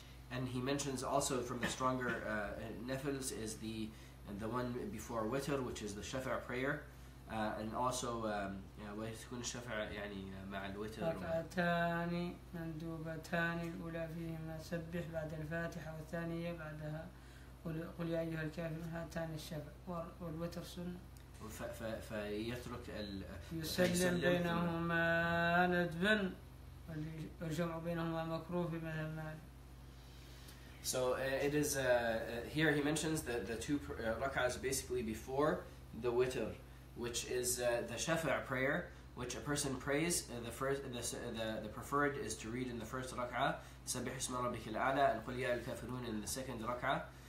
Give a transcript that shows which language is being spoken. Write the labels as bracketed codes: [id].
[en] And he mentions also from the stronger nafils is the one before witr, which is the shafa' prayer, and also [ar] ويكون الشفع يعني مع الوتر. ركعتان مندوبتان الأولى فيهما سبح بعد الفاتحة والثانية بعدها قل يا أيها الكافرون هاتان الشفع والوتر سنة. فيترك يسلم بينهما ندبا. والجمع بينهما مكروه في مذهب مالك. [en] So it is here he mentions the two rak'ahs basically before the witr, which is the shafa' prayer, which a person prays the first the preferred is to read in the first rak'ah [ar] سبح اسم ربك الأعلى [en] and [ar] قل يا الكافرون [en] in the second rak'ah,